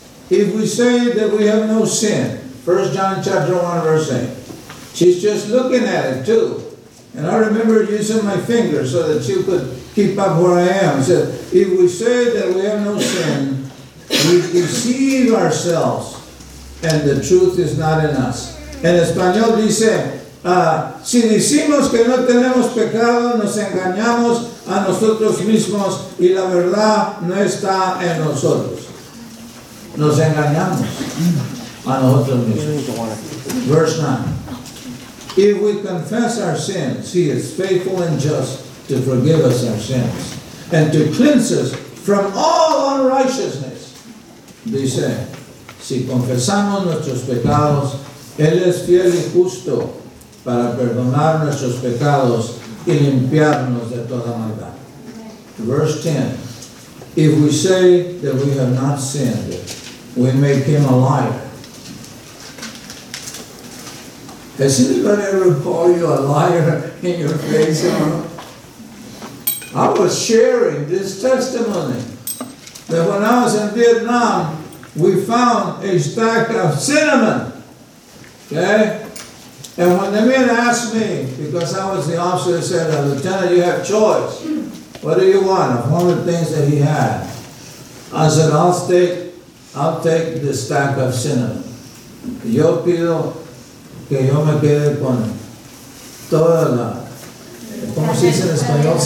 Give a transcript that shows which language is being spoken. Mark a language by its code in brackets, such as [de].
[en] If we say that we have no sin, 1 John chapter 1, verse 8. She's just looking at it, too. And I remember using my finger so that she could keep up where I am. She said, if we say that we have no sin, we deceive ourselves, and the truth is not in us. [es] En español dice, si decimos que no tenemos pecado, nos engañamos a nosotros mismos y la verdad no está en nosotros. Nos engañamos a nosotros mismos. [en] Verse 9. If we confess our sins, he is faithful and just to forgive us our sins and to cleanse us from all unrighteousness. [es] Dice, si confesamos nuestros pecados, él es fiel y justo para perdonar nuestros pecados y limpiarnos de toda maldad. [en] Verse 10. If we say that we have not sinned, we make him a liar. Has anybody ever called you a liar in your face? I was sharing this testimony that when I was in Vietnam, we found a stack of cinnamon. Okay? And when the men asked me, because I was the officer, they said, Lieutenant, you have choice. What do you want? Of all the things that he had. I said, I'll take the stack of cinnamon. [es] Yo pido que yo me quede con toda la, ¿cómo se dice en español?